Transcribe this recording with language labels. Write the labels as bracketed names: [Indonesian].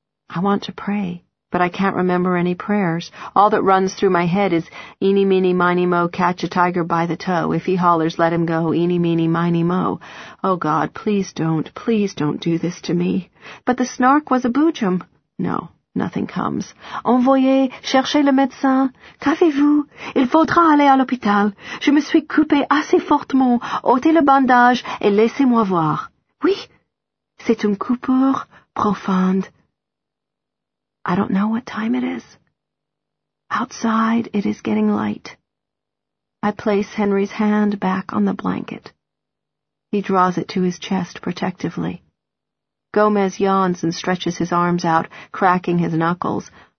[English] I want to pray, but I can't remember any prayers. All that runs through my head is, eeny, meeny, miny, mo, catch a tiger by the toe. If he hollers, let him go, eeny, meeny, miny, mo. Oh, God, please don't do this to me. But the snark was a boojum. No, nothing comes. [French] Envoyez chercher le médecin. Qu'avez-vous? Il faudra aller à l'hôpital. Je me suis coupé assez fortement. Ôtez le bandage et laissez-moi voir. Oui, c'est une coupure profonde. [English] I don't know what time it is. Outside, it is getting light. I place Henry's hand back on the blanket. He draws it to his chest protectively. Gomez yawns and stretches his arms out, cracking his knuckles.